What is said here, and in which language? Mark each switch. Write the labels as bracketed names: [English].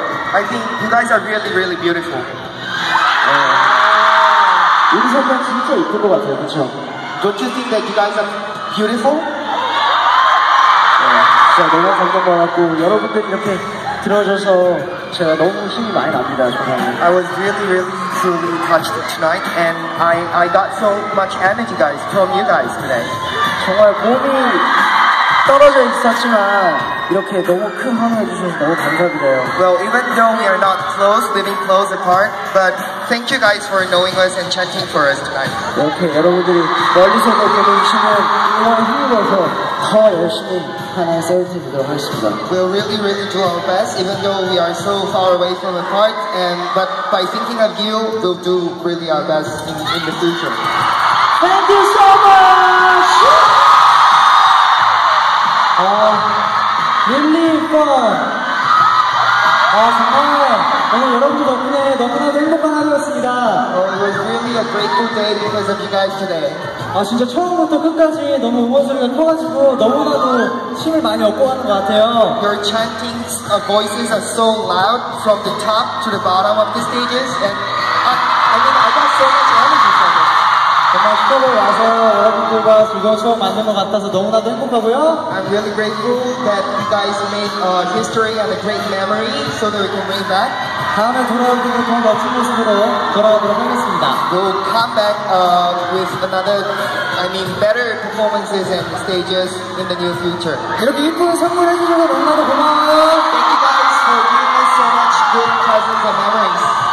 [English] I think you guys are really, really beautiful. Don't you think that you guys are beautiful? I was really, really, truly touched tonight, and I got so much energy, guys, from you guys today. [Korean] 정말 몸이 떨어져 있었지만 이렇게 너무 큰 환영해 주셔서 너무 감사드려요. [English] Well, even though we are not close, living close apart, but thank you guys for knowing us and chanting for us tonight. [Korean] 이렇게 여러분들이 멀리서 보게 되시면 응원 힘입어서 더 열심히 하나의 세일즈를 드리도록 하겠습니다. [English] We'll really, really do our best, even though we are so far away from apart, but by thinking of you, we'll do really our best in the future. Thank you so much! Really fun! [Korean] 정말 오늘 여러분들 덕분에 너무나도 행복한 하루였습니다. [English] It was really a grateful day because of you guys today. [Korean] 진짜 처음부터 끝까지 너무 응원 소리가 커가지고 너무나도 힘을 많이 얻고 가는 것 같아요. [English] Your chanting voices are so loud from the top to the bottom of the stages, and I mean I got so much energy from it. [Korean] 정말 시골에 와서 여러분들과 즐거운 추억 만든 것 같아서 너무나도 행복하고요. [English] I'm really grateful that you guys made a history and a great memory so that we can bring back. [Korean] 다음에 돌아올 때는 더 멋진 모습으로 돌아오도록 하겠습니다. [English] We'll come back with another, I mean, better performances and stages in the near future. [Korean] 이렇게 예쁜 선물 해주셔서 너무나도 고마워요. [English] Thank you guys for giving us so much good presents and memories.